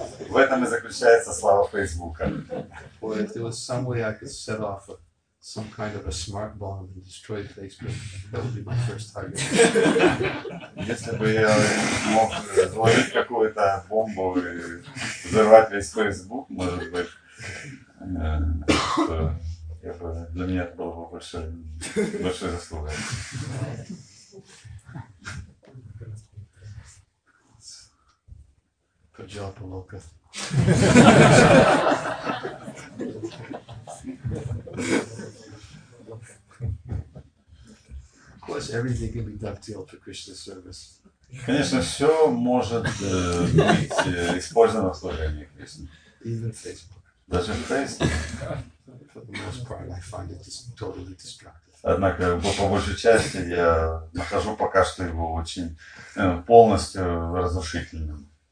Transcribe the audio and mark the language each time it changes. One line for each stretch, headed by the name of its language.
Russian: В этом и заключается слава Фейсбука.
English: Boy, if there was some way I could set off a some kind of a smart bomb and destroy Facebook. That would be my first target.
Russian: Если бы я мог заложить какую-то бомбу и взорвать весь Facebook, может быть, я бы, для меня это было бы большой заслугой. Поджал полока.
English: Of course, everything can be dovetailed for Krishna service.
Russian: Конечно, все может быть использовано в служении Кришны.
English: Even Facebook.
Russian: Даже Facebook.
English: For the most part, I find it just totally destructive.
Russian: Однако по большей части я нахожу пока что его очень полностью разрушительным.